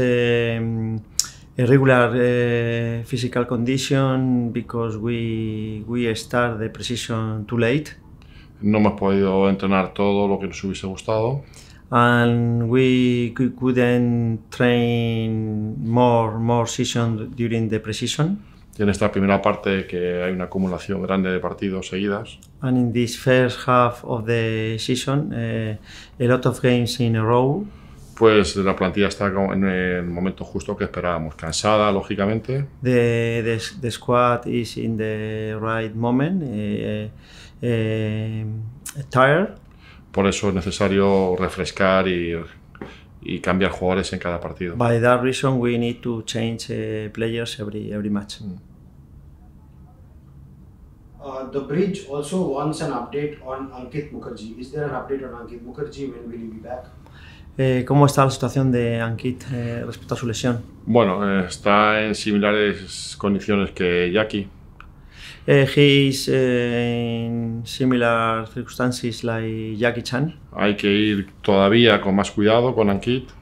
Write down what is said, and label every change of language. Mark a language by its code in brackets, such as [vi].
[en] is a regular physical condition because we start the pre-season too late. [es] No hemos podido entrenar todo lo que nos hubiese gustado. [en] And we couldn't train more season during the pre-season. [es] Y en esta primera parte que hay una acumulación grande de partidos seguidas. [en] And in this first half of the season, a lot of games in a row. [es] Pues la plantilla está en el momento justo que esperábamos, cansada lógicamente. [en] The squad is in the right moment, tired. [es] Por eso es necesario refrescar y cambiar jugadores en cada partido. [en] By that reason, we need to change players every match. The bridge also wants an update on Ankit Mukherjee. Is there an update on Ankit Mukherjee? When will he be back? [es] ¿Cómo está la situación de Ankit respecto a su lesión? Bueno, está en similares condiciones que Jackie. [en] He's in similar circumstances like Jackie Chan. [es] Hay que ir todavía con más cuidado con Ankit.